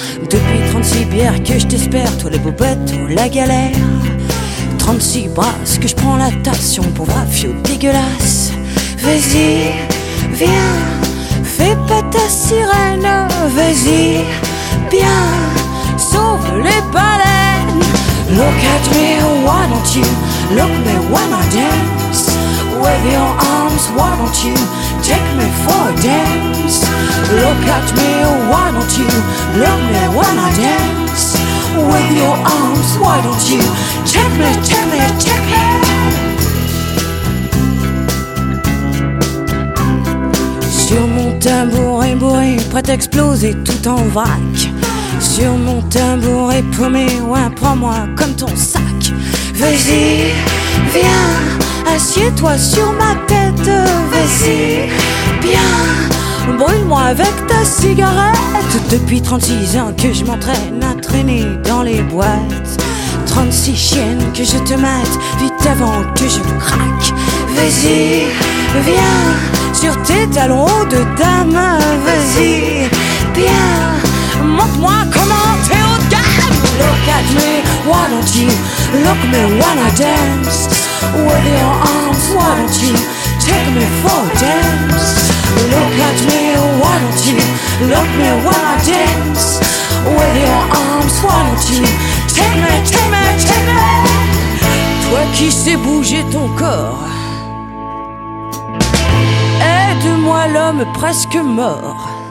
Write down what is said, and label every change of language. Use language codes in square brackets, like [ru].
[fr] Depuis 36 bières que je t'espère, toi les bobettes ou la galère. 36 bras, que je prends la tasse, sur mon pauvre fio dégueulasse. Vas-y, viens, fais pas ta sirène. Vas-y, bien, sauve les baleines. [en] Look at me, why don't you look me when I dance? Wave your arms, why don't you take me for a dance? Look at me, why don't you look me when I dance? Wave your arms, why don't you take me, take me, take me. [fr] Sur mon tambourin bourré, prêt à exploser tout en vrac. Sur mon tambouret paumé, ouais, prends-moi comme ton sac. Vas-y, viens, assieds-toi sur ma tête. Vas-y, bien, brûle-moi avec ta cigarette. Depuis 36 ans que je m'entraîne à traîner dans les boîtes. 36 chiennes que je te mate vite avant que je me craque. Vas-y, viens, sur tes talons hauts de dame. Vas-y, bien, montre-moi comment t'es haut de gamme. [en] Look at me, why don't you look me when I dance? With your arms, why don't you take me for a dance? Look at me, why don't you look me when I dance? With your arms, why don't you take me, take me, take me. [fr] Toi qui sais bouger ton corps, aide-moi l'homme presque mort.